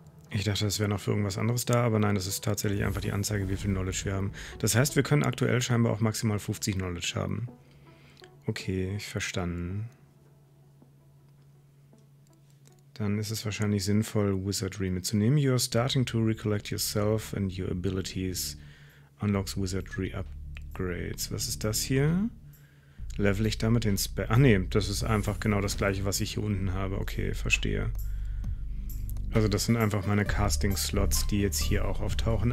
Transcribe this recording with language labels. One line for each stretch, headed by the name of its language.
German: Ich dachte, das wäre noch für irgendwas anderes da, aber nein, das ist tatsächlich einfach die Anzeige, wie viel Knowledge wir haben. Das heißt, wir können aktuell scheinbar auch maximal 50 Knowledge haben. Okay, ich verstanden. Dann ist es wahrscheinlich sinnvoll, Wizardry mitzunehmen.
English: You are starting to recollect yourself and your abilities. Unlocks Wizardry Upgrades.
German: Was ist das hier? Level ich damit den Spell? Ah nee, das ist einfach genau das gleiche, was ich hier unten habe. Okay, verstehe. Also das sind einfach meine Casting-Slots, die jetzt hier auch auftauchen.